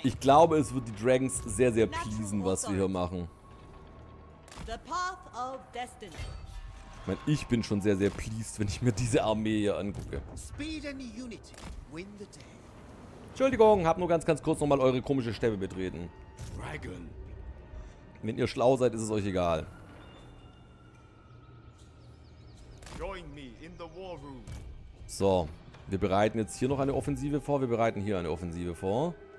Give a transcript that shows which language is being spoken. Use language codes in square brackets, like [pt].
[de] Ich glaube, es wird die Dragons sehr, sehr pleasen, was wir hier machen. [en] The path of destiny. [de] Ich meine, ich bin schon sehr, sehr pleased, wenn ich mir diese Armee hier angucke. [en] Speed and unity win the day. [de] Entschuldigung, hab nur ganz, ganz kurz nochmal eure komische Stäbe betreten. Dragon. Wenn ihr schlau seid, ist es euch egal. [en] Join me in the war room. [de] So, wir bereiten jetzt hier noch eine Offensive vor. Wir bereiten hier eine Offensive vor.